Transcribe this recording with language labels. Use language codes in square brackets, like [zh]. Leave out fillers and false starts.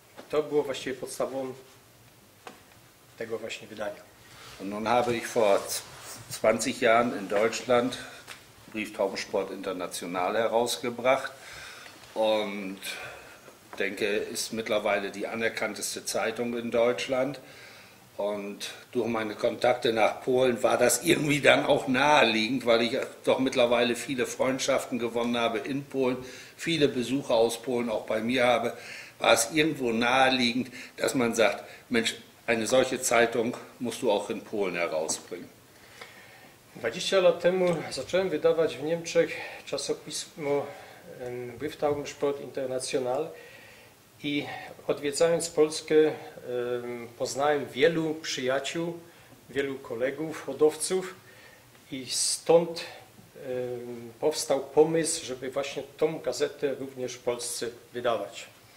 [pl] To było właściwie podstawą tego właśnie wydania. [de] Und nun habe ich vor 20 Jahren in Deutschland Brieftaubensport International herausgebracht und denke, ist mittlerweile die anerkannteste Zeitung in Deutschland. Und durch meine Kontakte nach Polen war das irgendwie dann auch naheliegend, weil ich doch mittlerweile viele Freundschaften gewonnen habe in Polen, viele Besucher aus Polen auch bei mir habe, war es irgendwo naheliegend, dass man sagt, Mensch, eine solche Zeitung musst du auch in Polen herausbringen. [pl] 20 lat temu zacząłem wydawać w Niemczech czasopismo Brieftaubensport International i odwiedzając Polskę poznałem wielu przyjaciół, wielu kolegów, hodowców i stąd powstał pomysł, żeby właśnie tą gazetę również w Polsce wydawać.